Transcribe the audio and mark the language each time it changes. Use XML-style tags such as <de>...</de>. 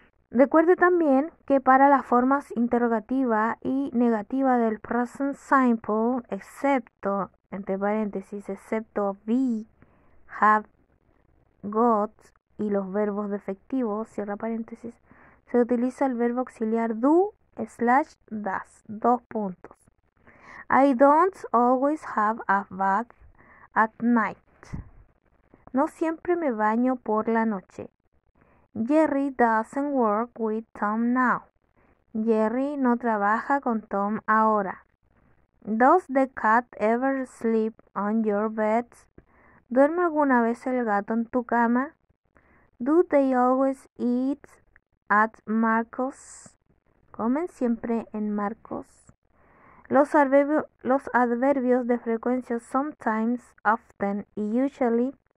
<es>Recuerde también que para las formas interrogativa y negativa del present simple, excepto, entre paréntesis, excepto be, have, got y los verbos defectivos, cierra paréntesis, se utiliza el verbo auxiliar do slash does, dos puntos.</es> <en>I don't always have a bath at night.</en> <es>No siempre me baño por la noche.</es> <en>Jerry doesn't work with Tom now.</en> <es>Jerry no trabaja con Tom ahora.</es> <en>Does the cat ever sleep on your bed?</en> <es>¿Duerme alguna vez el gato en tu cama?</es> <en>Do they always eat at Marcos?</en> <es>¿Comen siempre en Marcos? Los adverbios de frecuencia sometimes, often y usually.</es>